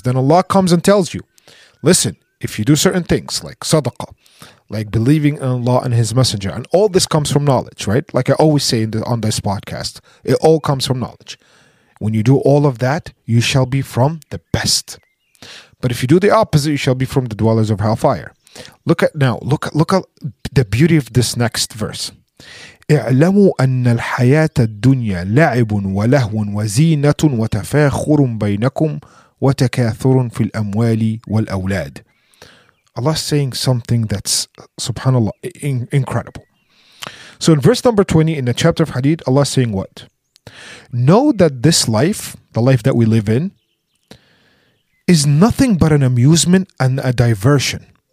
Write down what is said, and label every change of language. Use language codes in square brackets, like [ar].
[en] Then Allah comes and tells you, listen, if you do certain things like sadaqah, like believing in Allah and His messenger, and all this comes from knowledge, right? Like I always say on this podcast, it all comes from knowledge. When you do all of that, you shall be from the best. But if you do the opposite, you shall be from the dwellers of hellfire. Look at now, look at the beauty of this next verse. [ar] اعلموا أن الحياة الدنيا لعب ولهو وزينة وتفاخر بينكم وتكاثر في الأموال والأولاد. [en] Allah is saying something that's, subhanAllah, incredible. So in verse number 20 in the chapter of Hadith, Allah is saying what? Know that this life, the life that we live in, is nothing but an amusement and a diversion.